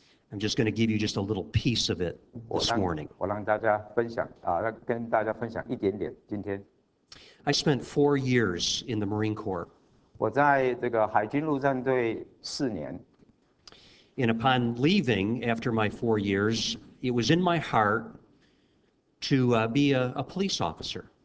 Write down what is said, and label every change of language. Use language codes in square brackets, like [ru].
[en] I'm just going to give you just a little piece of it this morning. [zh] 我跟大家分享一点点今天。 [en] I spent 4 years in the Marine Corps. [zh] 我在这个海军陆战队四年。 [en] And upon leaving after my 4 years, it was in my heart to be a police officer.